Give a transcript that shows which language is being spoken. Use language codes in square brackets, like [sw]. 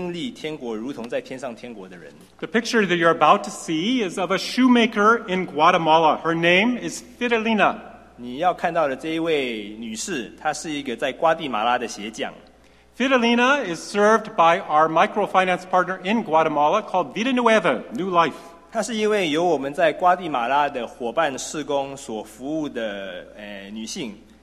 [zh] 让我介绍一位我认为是经历天国如同在天上天国的人。 [en] The picture that you're about to see is of a shoemaker in Guatemala. Her name is Fidelina. [zh] 你要看到的这一位女士，她是一个在瓜地马拉的鞋匠。 [en] Fidelina is served by our microfinance partner in Guatemala called Vida Nueva, New Life. [zh] 她是一位由我们在瓜地马拉的伙伴事工所服务的女性。